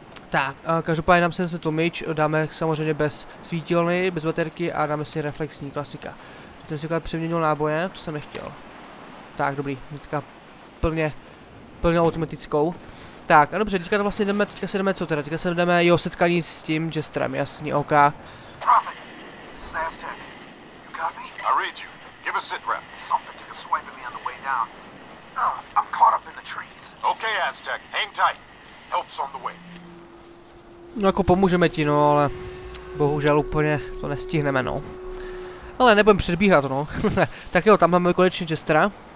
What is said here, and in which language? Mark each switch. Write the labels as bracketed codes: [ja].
[cs] Tak, každopádně nám se tlumič, dáme samozřejmě bez svítilny, bez baterky a dáme si reflexní, klasika. Jsem si akorát přeměnil náboje, to jsem nechtěl. Tak, dobrý, teďka plně automatickou. Tak, a dobře, teďka to vlastně jdeme, teďka se jdeme co teda, teďka se jdeme, jo, setkání s tím Jesterem, jasný, OK. [en] Prophet, this is Aztec. You copy? I read you. Give a sit rep. Something took a swipe at me on the way down. I'm caught up in the trees. Okay, Aztec, hang tight. Help's on the way. [cs] No jako pomůžeme ti, no, ale bohužel úplně to nestihneme, no. Ale nebudem předbíhat, no. Tak jo, tam máme konečně Jestera.